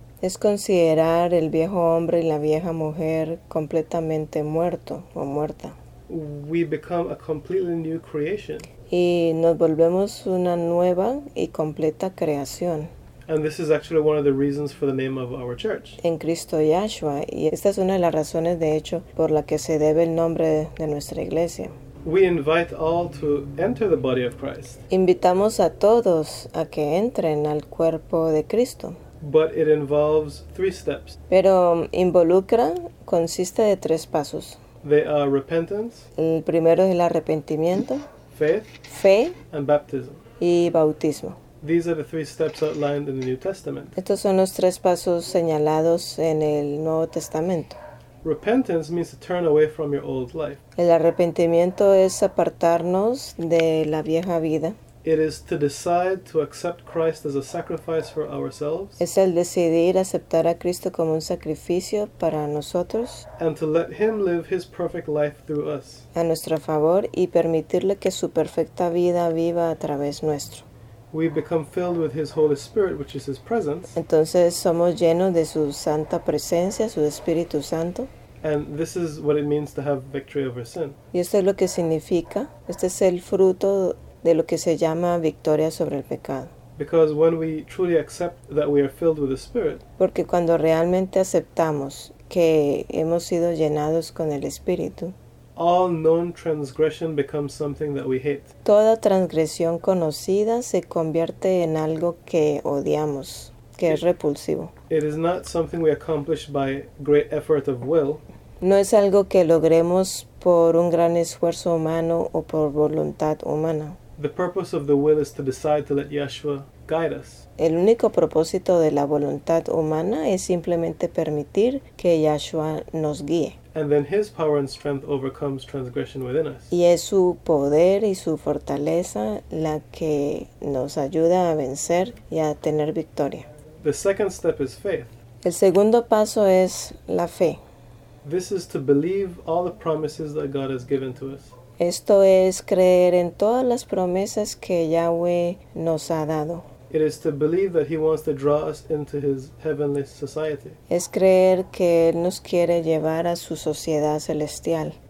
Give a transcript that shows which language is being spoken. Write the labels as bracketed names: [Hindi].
[Spanish] Es considerar el viejo hombre y la vieja mujer completamente muerto o muerta. [English] We become a completely new creation. [Spanish] Y nos volvemos una nueva y completa creación. [English] And this is actually one of the reasons for the name of our church. [Spanish] En Cristo Yahshua, y esta es una de las razones de hecho por la que se debe el nombre de nuestra iglesia. [English] We invite all to enter the body of Christ. [Spanish] Invitamos a todos a que entren al cuerpo de Cristo. [English] But it involves three steps. [Spanish] Pero involucra, consiste de tres pasos. [English] They are repentance. [Spanish] El primero es el arrepentimiento. [English] Faith. [Spanish] Fe. [English] And baptism. [Spanish] Y bautismo. [English] These are the three steps outlined in the New Testament. [Spanish] Estos son los tres pasos señalados en el Nuevo Testamento. [English] Repentance means to turn away from your old life. [Spanish] El arrepentimiento es apartarnos de la vieja vida. [English] It is to decide to accept Christ as a sacrifice for ourselves. [Spanish] Es el decidir aceptar a Cristo como un sacrificio para nosotros. [English] And to let him live his perfect life through us. [Spanish] A nuestro favor y permitirle que su perfecta vida viva a través nuestro. [English] We've become filled with His Holy Spirit, which is His presence. [Spanish] Entonces somos llenos de su santa presencia, su Espíritu Santo. [English] And this is what it means to have victory over sin. [Spanish] Y esto es lo que significa. Este es el fruto de lo que se llama victoria sobre el pecado. [English] Because when we truly accept that we are filled with the Spirit. [Spanish] Porque cuando realmente aceptamos que hemos sido llenados con el Espíritu. [English] All known transgression becomes something that we hate. [Spanish] Toda transgresión conocida se convierte en algo que odiamos, que es repulsivo. [English] It is not something we accomplish by great effort of will. [Spanish] No es algo que logremos por un gran esfuerzo humano o por voluntad humana. [English] The purpose of the will is to decide to let Yeshua guide us. [Spanish] El único propósito de la voluntad humana es simplemente permitir que Yeshua nos guíe. [English] And then His power and strength overcomes transgression within us. [Spanish] Y es su poder y su fortaleza la que nos ayuda a vencer y a tener victoria. [English] The second step is faith. [Spanish] El segundo paso es la fe. [English] This is to believe all the promises that God has given to us. [Spanish] Esto es creer en todas las promesas que Yahweh nos ha dado. [English] It is to believe that He wants to draw us into His heavenly society. [Spanish] Es creer que Él nos quiere llevar a su sociedad celestial.